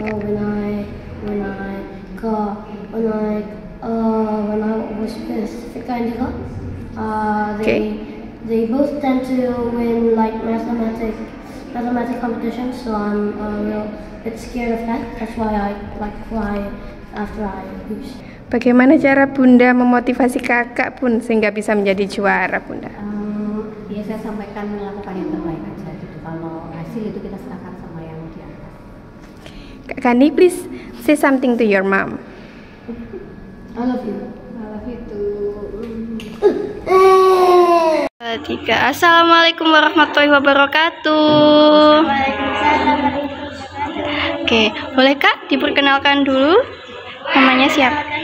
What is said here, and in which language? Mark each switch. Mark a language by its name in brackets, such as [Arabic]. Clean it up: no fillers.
[English] They both tend to win like mathematic competition, so I'm a little bit scared of that. That's why I like cry after I lose. [Indonesian] Bagaimana cara Bunda memotivasi kakak pun sehingga bisa menjadi juara, Bunda? Ya saya sampaikan melakukan yang terbaik aja. Jadi kalau hasil itu kita serahkan sama yang di atas. [English] Kak Kandi, please say something to your mom. I love you. [Indonesian] Tiga. Assalamualaikum warahmatullahi wabarakatuh. Oke, boleh kak diperkenalkan dulu namanya siapa?